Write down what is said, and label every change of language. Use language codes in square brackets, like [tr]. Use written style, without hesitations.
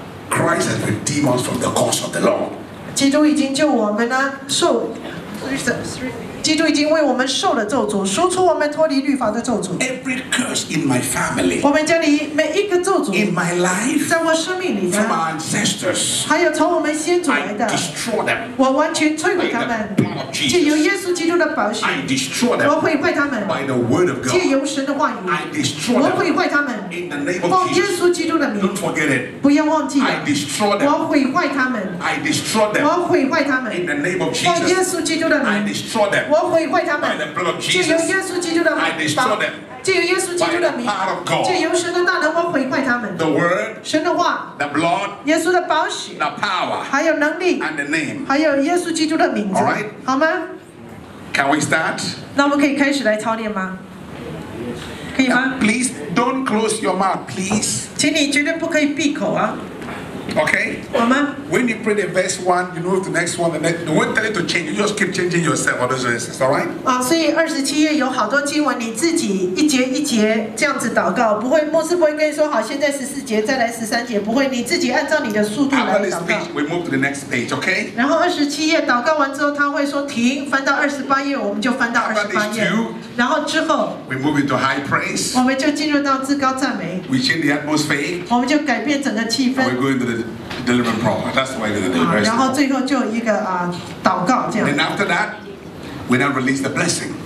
[en] Christ has redeemed us from the curse of the law. [zh] 基督已经救我们呢，受。基督已经为我们受了咒诅，赎出我们脱离律法的咒诅。 [en] Every curse in my family. [zh] 我们家里每一个咒诅。 [en] In my life. [zh] 在我生命里的。 [en] From our ancestors. [zh] 还有从我们先祖来的。 [en] I destroy them. [zh] 我完全摧毁他们。借由耶稣基督的宝血。 [en] I destroy them. [zh] 我毁坏他们。 [en] By the word of God. [zh] 借由神的话语。 [en] I destroy them. [zh] 我毁坏他们。 [en] In the name of Jesus. [zh] 奉耶稣基督的名。 [en] Don't forget it. [zh] 不要忘记。 [en] I destroy them. [zh] 我毁坏他们。 [en] I destroy them. [zh] 我毁坏他们。 [en] In the name of Jesus. [zh] 奉耶稣基督的名。 [en] I destroy them. [zh] 我毁坏他们。 [en] By the blood of Jesus, [zh] 借由耶稣基督的名，借由耶稣基督的名， [en] By the power of God, [zh] 借由神的大能，我毁坏他们。 [en] The word, [zh] 神的话， [en] the blood, [zh] 耶稣的宝血， [en] the power, [zh] 还有能力， [en] and the name, [zh] 还有耶稣基督的名字。 [en] All right, [zh] 好吗？ [en] Can we start? [zh] 那我们可以开始来操练吗？可以吗？ [en] Now, please don't close your mouth, please. [zh] 请你绝对不可以闭口啊。 [en] Okay. [zh] 好吗？ [en] When you pray the verse one, you know the next one. The next, you won't tell it to change. You just keep changing yourself. All those verses, all right? [zh] 啊，所以二十七页有好多经文，你自己一节一节这样子祷告，不会牧师不会跟你说好，现在十四节，再来十三节，不会，你自己按照你的速度来祷告。 [en] After this page, we move to the next page, okay? [zh] 然后二十七页祷告完之后，他会说停，翻到二十八页，我们就翻到二十八页。然后之后 [en] ，we move into high praise. [zh] 我们就进入到至高赞美。 [en] We change the atmosphere. [zh] 我们就改变整个气氛。 [en] We go into the deliverance prayer. That's the way to the deliverance. [zh] 然后最后就一个祷告这样。 [en] Then after that, we now release the blessing.